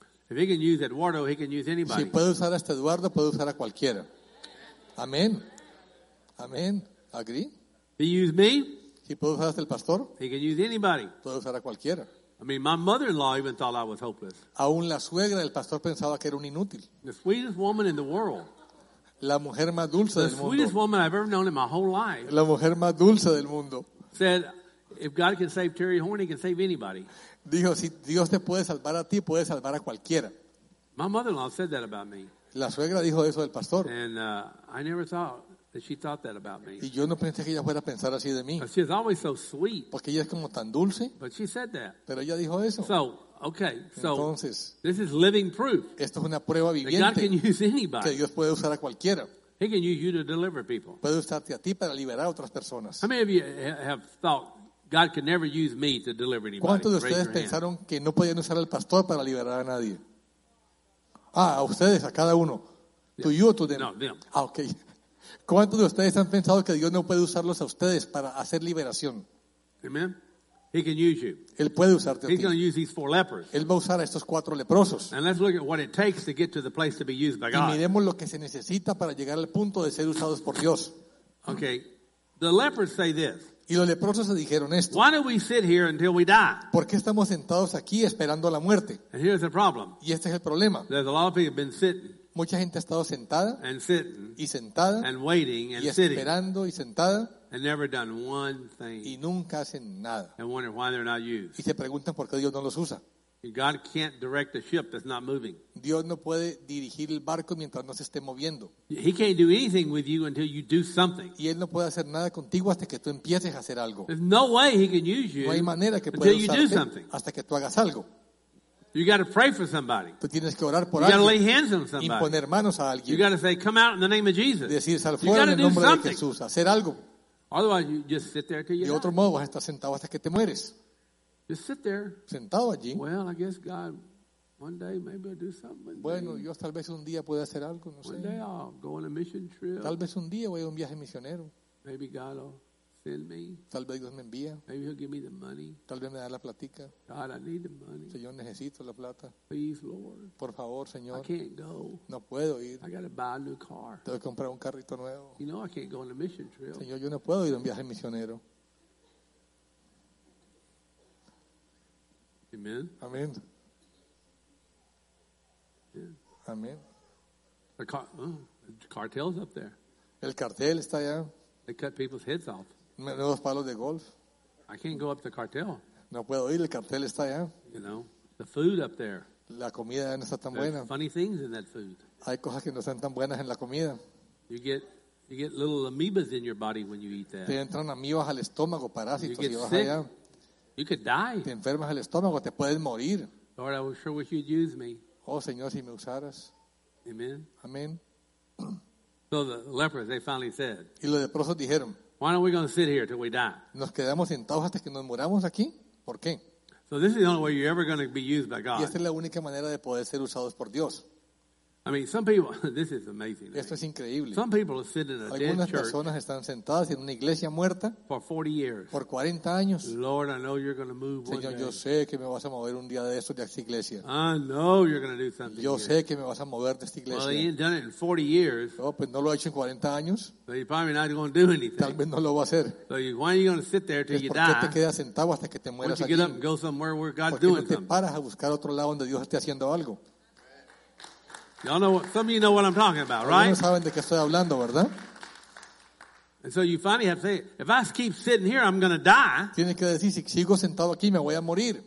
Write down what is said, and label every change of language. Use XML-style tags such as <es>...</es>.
<en>If he can use Eduardo, he can use anybody.</en> <es>Si puede usar a este Eduardo, puede usar a cualquiera. Amén. Amén. Agree.</es> <en>He used me.</en> <es>Si puede usar hasta el pastor.</es> <en>He can use anybody.</en> <es>Puede usar a cualquiera.</es> <en>I mean, my mother-in-law even thought I was hopeless.</en> <es>Aún la suegra del pastor pensaba que era un inútil.</es> <en>The sweetest woman in the world.</en> <es>La mujer más dulce</es> <en>the</en> <es>del mundo.</es> <en>The sweetest woman I've ever known in my whole life.</en> <es>La mujer más dulce del mundo.</es> <en>Said. If God can save Terry Horn, he can save anybody.</en> <es>Dijo, si Dios te puede salvar a ti, puede salvar a cualquiera.</es> <en>My mother-in-law said that about me.</en> <es>La suegra dijo eso del pastor.</es> <en>And I never thought that she thought that about me.</en> <es>Y yo no pensé que ella fuera a pensar así de mí.</es> <en>But she is always so sweet.</en> <es>Porque ella es como tan dulce.</es> <en>But she said that.</en> <es>Pero ella dijo eso.</es> <en>So, okay. So,</en> <es>entonces,</es> <en>this is living proof.</en> <es>Esto es una prueba viviente.</es> <en>That God can use anybody.</en> <es>Que Dios puede usar a cualquiera.</es> <en>He can use you to deliver people.</en> <es>Puede usarte a ti para liberar a otras personas.</es> <en>How many of you have thought God can never use me to deliver anybody?</en> <es>¿Cuántos de ustedes pensaron que no podían usar al pastor para liberar a nadie? Ah, a ustedes, a cada uno.</es> <en>To you or to them? No, them. Ah, okay.</en> <es>¿Cuántos de ustedes han pensado que Dios no puede usarlos a ustedes para hacer liberación?</es> <en>Amen. He can use you.</en> <es>Él puede usarte a</es> <en>He's</en> <es>ti.</es> <en>He's going to use these four lepers.</en> <es>Él va a usar a estos cuatro leprosos.</es> <en>And let's look at what it takes to get to the place to be used by God.</en> <es>Y miremos lo que se necesita para llegar al punto de ser usados por Dios.</es> <en>Okay. The lepers say this.</en> <es>Y los leprosos se dijeron esto.</es> <en>Why do we sit here until we die?</en> <es>¿Por qué estamos sentados aquí esperando la muerte?</es> <en>And here's the problem.</en> <es>Y este es el problema.</es> <en>There's a lot of people been sitting.</en> <es>Mucha gente ha estado sentada</es> <en>and sitting</en> <es>y sentada</es> <en>and waiting and</en> <es>y esperando</es> <en>sitting</en> <es>y sentada</es> <en>and never done one thing.</en> <es>Y nunca hacen nada.</es> <en>And wonder why they're not used.</en> <es>Y se preguntan por qué Dios no los usa.</es> <en>God can't direct a ship that's not moving.</en> <es>Dios no puede dirigir el barco mientras no se esté moviendo.</es> <en>He can't do anything with you until you do something.</en> <es>Y él no puede hacer nada contigo hasta que tú empieces a hacer algo.</es> <en>There's no way he can use you</en> <es>no hay manera que</es> <en>until you do something.</en> <es>Hasta que tú hagas algo.</es> <en>You got to pray for somebody.</en> <es>Tú tienes que orar por</es> <en>you</en> <es>alguien.</es> <en>You got to lay hands on somebody.</en> <es>Imponer manos a alguien.</es> <en>You got to say, "Come out in the name of Jesus."</en> <es>Decir, sal fuera en el nombre de Jesús. Hacer algo.</es> <en>Otherwise, you just sit there till you die.</en> <es>De otro modo, vas a estar sentado hasta que te mueres.</es> <en>Just sit there.</en> <es>Sentado allí.</es> <en>Well, I guess God, one day maybe I'll do something.</en> <es>Bueno, Dios tal vez un día pueda hacer algo, no</es> <en>sé. One day I'll go on a mission trip.</en> <es>Tal vez un día voy a un viaje misionero.</es> <en>Maybe God will send me.</en> <es>Tal vez Dios me envía.</es> <en>Maybe he'll give me the money.</en> <es>Tal vez me da la platica.</es> <en>God, I need the money.</en> <es>Señor, necesito la plata.</es> <en>Please, Lord.</en> <es>Por favor, Señor.</es> <en>I can't go.</en> <es>No puedo ir.</es> <en>I gotta buy a new car.</en> <es>Tengo que comprar un carrito nuevo.</es> <en>You know I can't go on a mission trip.</en> <es>Señor, yo no puedo ir a un viaje misionero.</es> <en>Amen.</en> <es>Amen.</es> <en>Yeah.</en> <es>Amen.</es> <en>The cartel's up there.</en> <es>El cartel está allá.</es> <en>They cut people's heads off.</en> <es>Menudos palos de golf.</es> <en>I can't go up the cartel.</en> <es>No puedo ir, el cartel está allá.</es> <en>You know, the food up there.</en> <es>La comida no está tan buena.</es> <en>Funny things in that food.</en> <es>Hay cosas que no están tan buenas en la comida.</es> <en>You get little amoebas in your body when you eat that.</en> <es>Te entran amoebas al estómago, parásitos, y vas allá.</es> <en>You could die.</en> <es>Te enfermas el estómago, te puedes morir.</es> <en>Lord, I sure wish you'd use me.</en> <es>Oh, Señor, si me usaras.</es> <en>Amen.</en> <es>Amen.</es> <en>So the lepers, they finally said,</en> <es>y los leprosos dijeron,</es> <en>why aren't we going to sit here till we die?</en> <es>¿Nos quedamos sentados hasta que nos muramos aquí? ¿Por qué?</es> <en>So this is the only way you're ever going to be used by God.</en> <es>Y esta es la única manera de poder ser usados por Dios.</es> <en>I mean, some people, this is amazing.</en> <es>Esto es increíble.</es> <en>Some people are sitting in a dead church.</en> <es>Algunas personas están sentadas en una iglesia muerta.</es> <en>For 40 years.</en> <es>Por 40 años.</es> <en>Lord, I know you're going to move.</en> <es>Señor, yo sé que me vas a mover un día de esto de esta iglesia.</es> <en>I know you're going to do something.</en> <es>Yo sé que me vas a mover de esta iglesia.</es> <en>Well, he ain't done it in 40 years.</en> <es>Oh, pues no lo ha hecho en 40 años.</es> <en>So you're probably not going to do anything.</en> <es>Tal vez no lo va a hacer.</es> <en>So why are you going to sit there till you die?</en> <es>¿Por qué te quedas sentado hasta que te mueras allí?</es> <en>Why don't you get up and go somewhere where God's doing something?</en> <es>¿Por qué no te paras a buscar otro lado donde Dios esté haciendo algo?</es> <en>Y'all know what, some of you know what I'm talking about, right?</en> <es>Algunos saben de qué estoy hablando, ¿verdad?</es> <en>And so you finally have to say, if I keep sitting here, I'm going to die.</en> <es>Tienes que decir, si sigo sentado aquí, me voy a morir.</es>